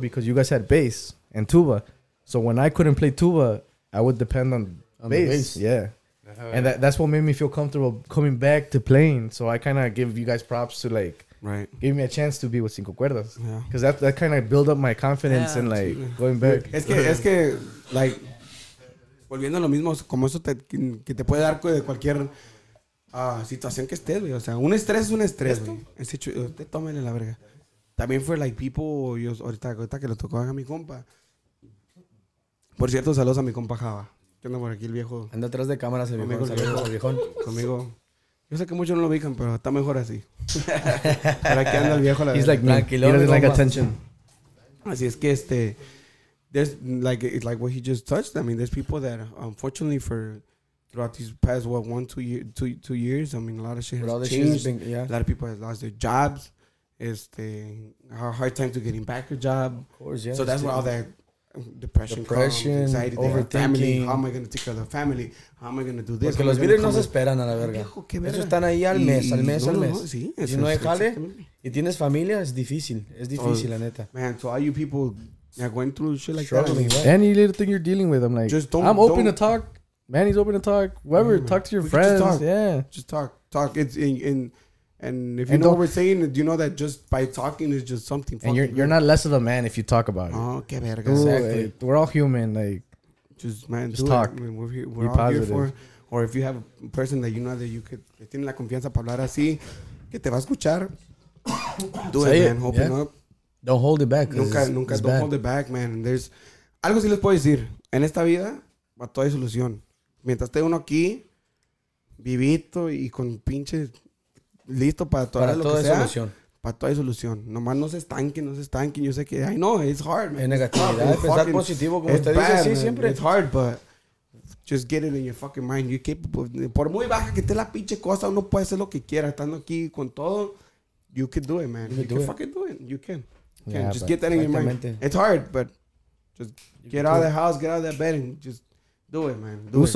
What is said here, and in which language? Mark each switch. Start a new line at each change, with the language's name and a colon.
English: Because you guys had bass and tuba. So when I couldn't play tuba, I would depend on bass. The bass. Yeah. And that's what made me feel comfortable coming back to playing. So I kind of give you guys props to, like, right, give me a chance to be with Cinco Cuerdas. Because that kind of build up my confidence and, like, going back.
Spanish: Es que like, volviendo a lo mismo, como eso que te puede dar de cualquier situación que estés, güey. O sea, un estrés es un estrés, güey. Ese chulo, te tómenle la verga. También fue,
English: like, people,
Spanish: yo, ahorita que lo tocó a mi compa. Por cierto, saludos a mi compa Java. ¿Qué onda por aquí el viejo? Anda atrás de cámaras el conmigo, viejo. Saludos al viejo. Conmigo. Yo sé que muchos no lo ubican, pero está mejor así. ¿Para qué anda el viejo?
English: He's like, tranquilo. He doesn't like attention.
Spanish: Así es que,
English: there's, like, it's like what he just touched. I mean, there's people that, unfortunately, for throughout these past, what, 1-2 years, I mean, a lot of shit has changed. Been, yeah. A lot of people have lost their jobs. A hard time to getting back a job. Of course, yeah. So that's where all that depression comes, anxiety, overthinking. How am I going to take care of the family? How am I going to do this?
Spanish: Porque los billers no se esperan a la verga. Ellos están ahí al mes. Sí, si no hay jale y tienes familia, es difícil. Es difícil, la neta.
English: Man, so all you people going through shit like struggling, that. Right? Any little thing you're dealing with, I'm like, just don't, I'm open to talk. Man, he's open to talk. Whoever, talk to your friends. Just talk. Yeah. Just talk. Talk. It's in and if you and know what we're saying, you know that just by talking is just something. And you're not less of a man if you talk about it.
Spanish: Oh, qué verga.
English: Exactly. We're all human. Like, just, man, just talk. I mean, we're all positive. Here for. Or if you have a person that you know that you could,
Spanish: que tiene la confianza para hablar así, que te va a escuchar,
English: do it, man. Open up. Don't hold it back. Nunca, don't hold it back, man. There's,
Spanish: algo sí les puedo decir. En esta vida, a toda solución. Mientras esté uno aquí, vivito y con pinches listo para todo lo que sea. Solución. Para toda solución. Nomás no se estanquen. Yo sé que, ay, no, it's hard, man. Es negatividad. Es pensar fucking positivo, como usted bad, dice, sí, siempre.
English: It's hard, but just get it in your fucking mind. You keep,
Spanish: por muy baja que esté la pinche cosa, uno puede hacer lo que quiera. Estando aquí con todo,
English: you can do it, man. You can fucking do it. You can. Yeah, just get that in your mind. It's hard, but just get out of the house, get out of that bed, and just do it, man.